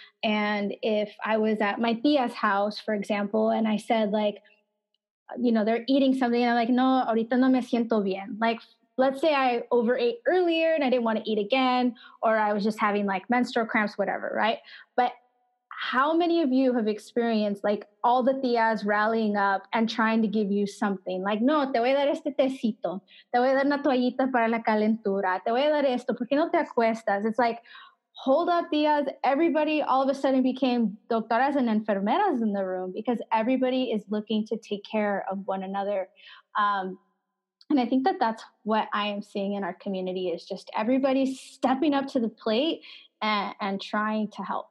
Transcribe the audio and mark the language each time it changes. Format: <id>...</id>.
<en>And if I was at my tía's house, for example, and I said, like, you know, they're eating something, and I'm like, no,</en> <es>ahorita no me siento bien.</es> <en>Like, let's say I overate earlier and I didn't want to eat again, or I was just having like menstrual cramps, whatever, right? But how many of you have experienced like all the tías rallying up and trying to give you something?</en> <es>Like, no, te voy a dar este tecito. Te voy a dar una toallita para la calentura. Te voy a dar esto. ¿Por qué no te acuestas?</es> <en>It's like, hold up, tías. Everybody all of a sudden became doctoras and enfermeras in the room because everybody is looking to take care of one another. And I think that that's what I am seeing in our community, is just everybody stepping up to the plate and trying to help.</en>